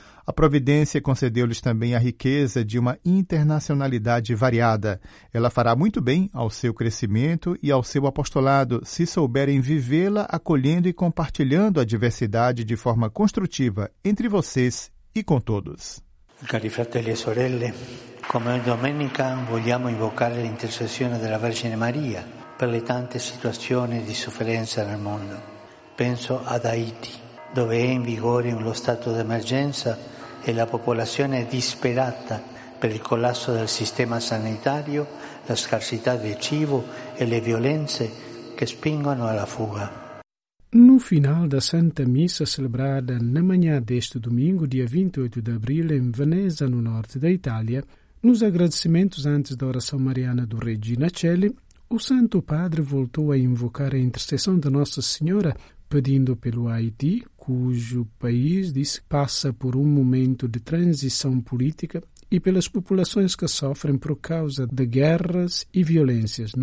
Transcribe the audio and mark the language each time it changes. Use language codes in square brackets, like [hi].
[pt] A Providência concedeu-lhes também a riqueza de uma internacionalidade variada. Ela fará muito bem ao seu crescimento e ao seu apostolado, se souberem vivê-la acolhendo e compartilhando a diversidade de forma construtiva entre vocês e com todos. [it] Cari fratelli e sorelle, come domenica vogliamo invocare l'intercessione della Vergine Maria per le tante situazioni di sofferenza nel mondo. Penso ad Haiti, dove è in vigore lo stato d'emergenza e la popolazione è disperata per il collasso del sistema sanitario, la scarsità di cibo e le violenze che spingono alla fuga. [pt] No final da Santa Missa celebrada na manhã deste domingo, dia 28 de abril, em Veneza, no norte da Itália, nos agradecimentos antes da oração mariana do Regina Celi, o Santo Padre voltou a invocar a intercessão de Nossa Senhora, pedindo pelo Haiti, cujo país, disse, passa por um momento de transição política, e pelas populações que sofrem por causa de guerras e violências.